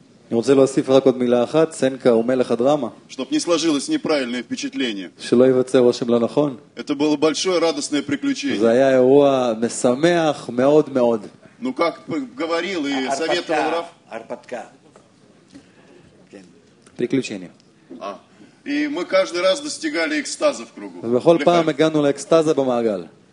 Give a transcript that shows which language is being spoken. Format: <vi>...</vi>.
<he>אני רוצה להוסיף רק עוד מילה אחת, סנקה הוא מלך הדרמה.</he> <ru>Чтоб не сложилось неправильное впечатление.</ru> <he>שלא יווצר רושם לא נכון.</he> <ru>Это было большое радостное приключение.</ru> <he>זה היה אירוע משמח מאוד מאוד.</he> <ru>Ну как говорил и советовал Раф? Арпатка.</ru> <he>כן. приключение. А.</he> <ru>И мы каждый раз достигали экстаза в кругу.</ru> <he>בכל פעם הגענו לאקסטזה במעגל.</he>